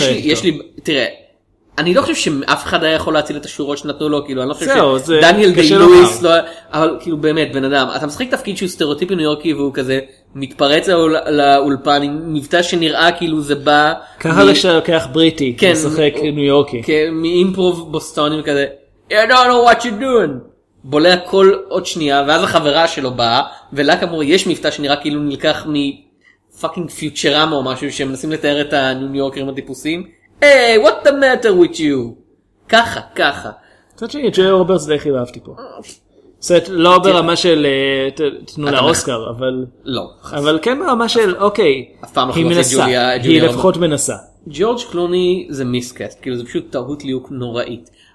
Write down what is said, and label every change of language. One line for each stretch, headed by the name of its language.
Hebrew: יש לי, תראה, אני לא חושב שאף אחד היה יכול להציל את השורות שנתנו לו, כאילו, אני לא חושב שדניאל דיי-לויס, אבל כאילו באמת, בן אדם, אתה משחק תפקיד שהוא סטריאוטיפי ניו יורקי, והוא כזה מתפרץ לאולפן עם מבטא שנראה כאילו זה בא... ככה לשחק בריטי, לשחק ניו יורקי. כן, מאימפרוב בוסטוני וכזה,
English: I don't know what you're doing.
Hebrew: בולע כל עוד שנייה, ואז החברה שלו באה, ולה כמור יש מבטא שנראה כאילו נלקח מפאקינג פיוטשרמה או משהו, שהם מנסים לתאר את הניו יורקרים הטיפוסיים. היי,
English: hey, what the matter with you?
Hebrew: ככה, ככה. קצת שני, ג'ו רוברטס די הכי אהבתי פה. סט, לא ברמה של תנו לה אוסקר, אבל... לא. אבל כן ברמה של, אוקיי, היא מנסה, היא לפחות מנסה. ג'ורג' קלוני זה מיסקאסט, כאילו זה פשוט טעות ליוק נוראית.